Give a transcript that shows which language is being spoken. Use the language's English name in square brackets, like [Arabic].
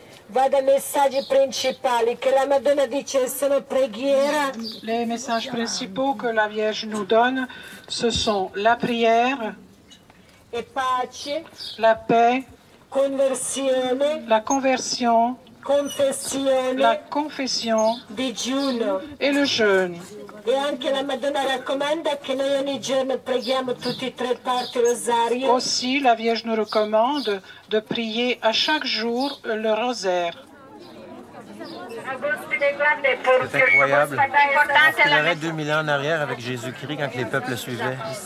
[Italian] Vada messaggi principali che la Madonna dice sono preghiera. [French] Les messages principaux que la Vierge nous donne, ce sont la prière, [Italian] e pace, [French] la paix, [Italian] conversione, [French] la conversion, [Italian] confessione, [French] la confession, [Italian] digiuno, [French] e le jeûne. [Italian] E anche la Madonna raccomanda che noi ogni giorno preghiamo tutti e tre parti rosario. [French] Aussi la Vierge nous recommande de prier à chaque jour le rosaire. C'est incroyable. On dirait 2000 ans en arrière avec Jésus-Christ quand les peuples suivaient.